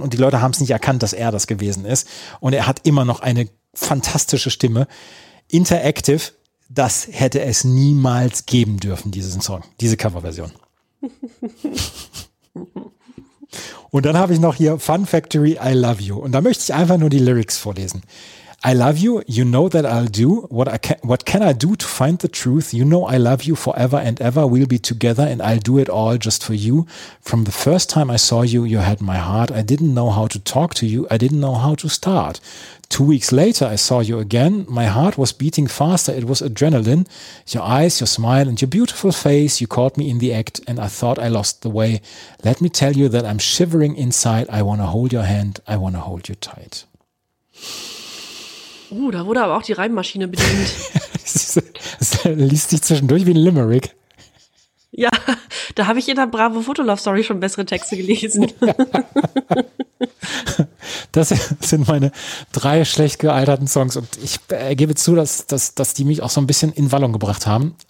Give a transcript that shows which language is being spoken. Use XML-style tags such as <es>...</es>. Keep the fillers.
<de>Und die Leute haben es nicht erkannt, dass er das gewesen ist. Und er hat immer noch eine fantastische Stimme. Interactive, das hätte es niemals geben dürfen, diesen Song, diese Coverversion. Und dann habe ich noch hier Fun Factory, I Love You. Und da möchte ich einfach nur die Lyrics vorlesen.</de> <en>I love you. You know that I'll do what can, What can I do to find the truth? You know I love you forever and ever. We'll be together and I'll do it all just for you. From the first time I saw you, you had my heart. I didn't know how to talk to you. I didn't know how to start. Two weeks later, I saw you again. My heart was beating faster. It was adrenaline. Your eyes, your smile, and your beautiful face. You caught me in the act and I thought I lost the way. Let me tell you that I'm shivering inside. I want to hold your hand. I want to hold you tight.</en> <de>Oh, uh, da wurde aber auch die Reimmaschine bedient. das liest sich zwischendurch wie ein Limerick. Ja, da habe ich in der Bravo Fotolove Story schon bessere Texte gelesen. Ja. das sind meine drei schlecht gealterten Songs und ich gebe zu, dass, dass, dass die mich auch so ein bisschen in Wallung gebracht haben.</de>